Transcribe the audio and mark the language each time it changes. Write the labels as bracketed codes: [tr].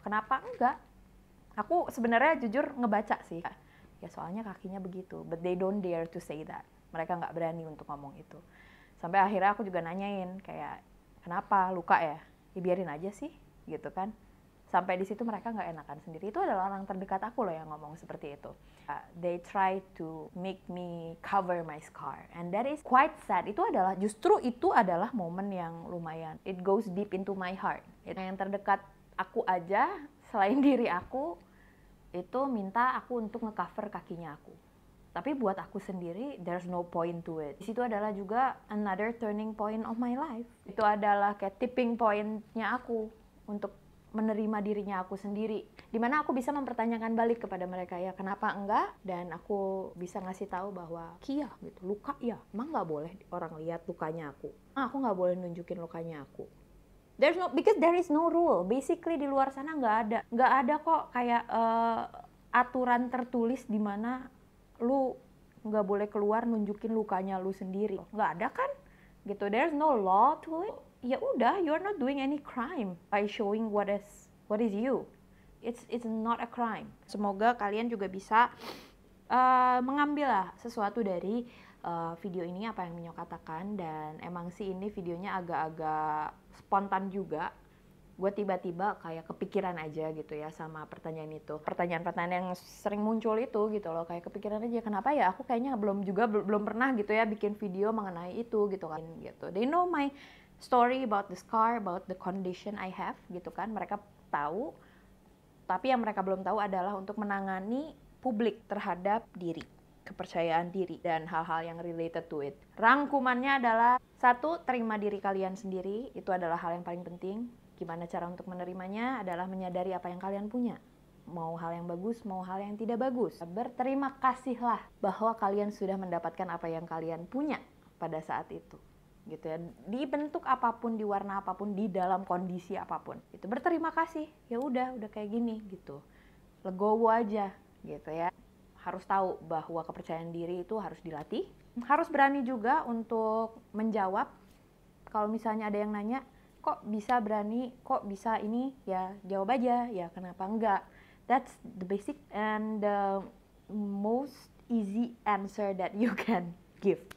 [id] Kenapa enggak, aku sebenarnya jujur ngebaca sih ya, soalnya kakinya begitu, [en] but they don't dare to say that, [id] mereka nggak berani untuk ngomong itu. Sampai akhirnya aku juga nanyain kayak, kenapa luka ya? Ya biarin aja sih, gitu kan. Sampai di situ mereka nggak enakan sendiri. Itu adalah orang terdekat aku loh yang ngomong seperti itu. [en] They try to make me cover my scar. And that is quite sad. [id] Itu adalah momen yang lumayan. [en] It goes deep into my heart. [id] Yang terdekat aku aja, selain diri aku, itu minta aku untuk nge-cover kakinya aku. Tapi buat aku sendiri, [en] there's no point to it. [id] Di situ adalah juga [en] another turning point of my life. [id] Itu adalah kayak tipping point-nya aku untuk menerima dirinya aku sendiri. Dimana aku bisa mempertanyakan balik kepada mereka, ya kenapa enggak? Dan aku bisa ngasih tahu bahwa, kia gitu, luka ya, emang nggak boleh orang lihat lukanya aku? Aku nggak boleh nunjukin lukanya aku. [en] Because there is no rule. Basically [id] di luar sana nggak ada. Nggak ada kok kayak aturan tertulis dimana lu nggak boleh keluar nunjukin lukanya lu sendiri, nggak ada kan gitu. [en] There's no law to it. [id] Ya udah, [en] you're not doing any crime by showing what is you. It's not a crime. [id] Semoga kalian juga bisa mengambil lah sesuatu dari video ini apa yang Minyo katakan, dan emang sih ini videonya agak-agak spontan juga. Gue tiba-tiba kayak kepikiran aja gitu ya sama pertanyaan itu. Pertanyaan-pertanyaan yang sering muncul itu gitu loh, kayak kepikiran aja kenapa ya aku kayaknya belum juga belum pernah gitu ya bikin video mengenai itu gitu kan gitu. [en] They know my story about the scar, about the condition I have [id] gitu kan. Mereka tahu. Tapi yang mereka belum tahu adalah untuk menangani publik terhadap diri, kepercayaan diri, dan hal-hal yang [en] related to it. [id] Rangkumannya adalah, satu, terima diri kalian sendiri, itu adalah hal yang paling penting. Gimana cara untuk menerimanya adalah menyadari apa yang kalian punya. Mau hal yang bagus, mau hal yang tidak bagus. Berterima kasihlah bahwa kalian sudah mendapatkan apa yang kalian punya pada saat itu. Gitu ya, di bentuk apapun, di warna apapun, di dalam kondisi apapun. Itu berterima kasih. Ya udah kayak gini gitu. Legowo aja gitu ya. Harus tahu bahwa kepercayaan diri itu harus dilatih. Harus berani juga untuk menjawab kalau misalnya ada yang nanya, kok bisa berani, kok bisa ini, ya jawab aja, ya kenapa enggak. [en] That's the basic and the most easy answer that you can give.